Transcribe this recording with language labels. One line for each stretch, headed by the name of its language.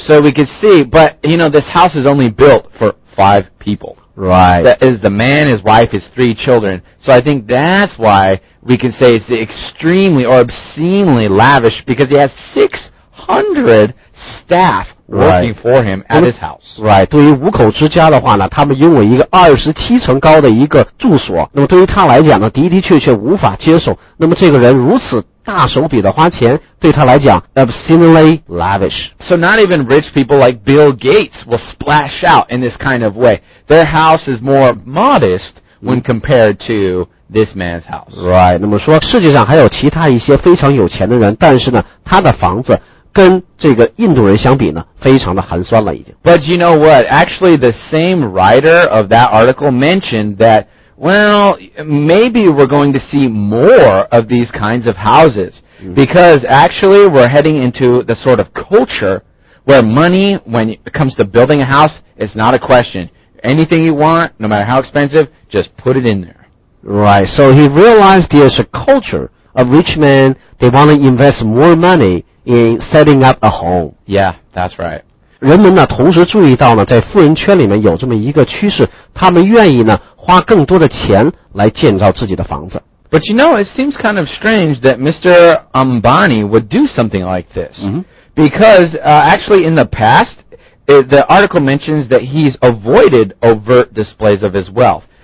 English: So we could see, but you know, this house is only built for five people. Right. That is the man, his wife, his three children. So I think that's why we can say it's extremely or obscenely lavish because he has 600 staff working for him at his house. Right.
Chinese: 对于五口之家的话呢，他们拥有一个27层高的一个住所。那么对于他来讲呢，的的确确无法接受。那么这个人如此大手笔的花钱，对他来讲
English: obscenely lavish. So not even rich people like Bill Gates will splash out in this kind of way. Their house is more modest when compared to this man's house. Right.
Chinese: 那么说世界上还有其他一些非常有钱的人，但是呢，他的房子跟这个印度人相比呢非常的寒酸了已经。
English: But you know what? Actually, the same writer of that article mentioned that, well, maybe we're going to see more of these kinds of houses. Because actually, we're heading into the sort of culture where money, when it comes to building a house, is not a question. Anything you want, no matter how expensive, just put it in there. Right. So he realized there's a culture of rich men, they want to invest more money,in setting up a home. Yeah, that's right.
Chinese: 人们呢同时注意到呢在富人圈里面有这么一个趋势，他们愿意呢花更多的钱来建造自己的房子。
English: But you know, it seems kind of strange that Mr. Ambani would do something like this. Because, actually in the past, the article mentions that he's avoided overt displays of his wealth.